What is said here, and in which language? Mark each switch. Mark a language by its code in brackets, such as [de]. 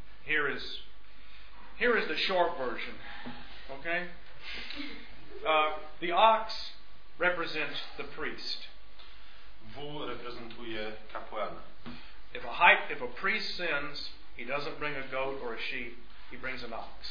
[en] here is the short version. Okay? The ox represents the priest. [pl] Wół reprezentuje kapłana. [en] If a priest sins, he doesn't bring a goat or a sheep, he brings an ox.